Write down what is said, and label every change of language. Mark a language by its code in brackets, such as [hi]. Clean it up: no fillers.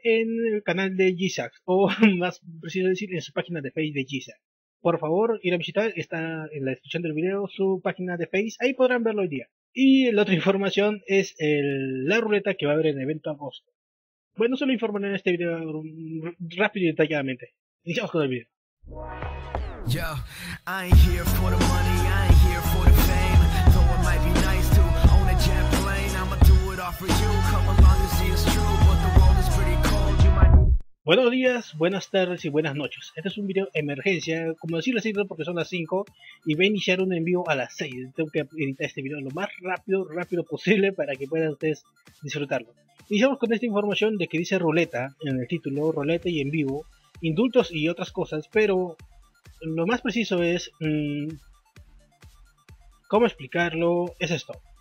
[es] en el canal de Gizac, o más preciso decir, en su página de Facebook de Gizac. Por favor, ir a visitar, está en la descripción del video su página de Facebook, ahí podrán verlo hoy día. Y la otra información es la ruleta que va a haber en evento agosto. Bueno, solo informaré en este video rápido y detalladamente. Iniciamos con el video. [en] Yo, I ain't here for the money, I ain't here for the fame. Though it might be nice to own a jet plane, I'ma do it all for you. Come along and see it's true, but the world is pretty cold. You might. [es] Buenos días, buenas tardes y buenas noches. Este es un video emergencia, como decirlo así, porque son las 5 y voy a iniciar un envío a las 6. Tengo que editar este video lo más rápido posible para que puedan ustedes disfrutarlo. Iniciamos con esta información de que dice ruleta en el título, ruleta y en vivo, indultos y otras cosas, pero lo más preciso es, ¿cómo explicarlo? Es esto.